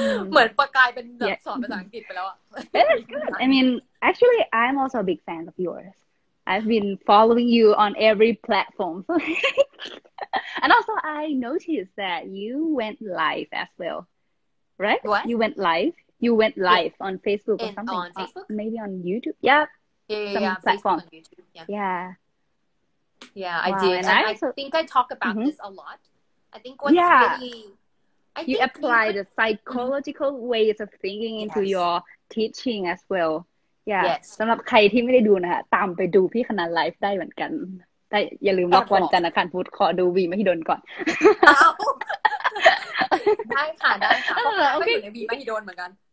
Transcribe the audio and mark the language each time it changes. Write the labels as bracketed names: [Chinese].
[Thai] เหมือนประกายเป็นแบบสอนภาษาอังกฤษไปแล้วอ่ะ [English] That is good. I mean, actually, I'm also a big fan of yours. I've been following you on every platform. And also, I noticed that you went live as well. Right? What? You went live. You went live on Facebook or something. On Facebook? Maybe on YouTube. Yep. Yeah, platform. Facebook on YouTube. Yeah. Yeah, I did. And I think I talk about this a lot. I think what's really... You apply the psychological ways of thinking into your teaching as well. Yeah. Yes. [Thai] สำหรับใครที่ไม่ได้ดูนะคะตามไปดูพี่คณะไลฟ์ได้เหมือนกันได้อย่าลืมล็อกวันจันทร์อังคารพุธขอดูวีมหิดลก่อน ได้ค่ะได้ค่ะเพราะว่าอยู่ในวีมหิดลเหมือนกัน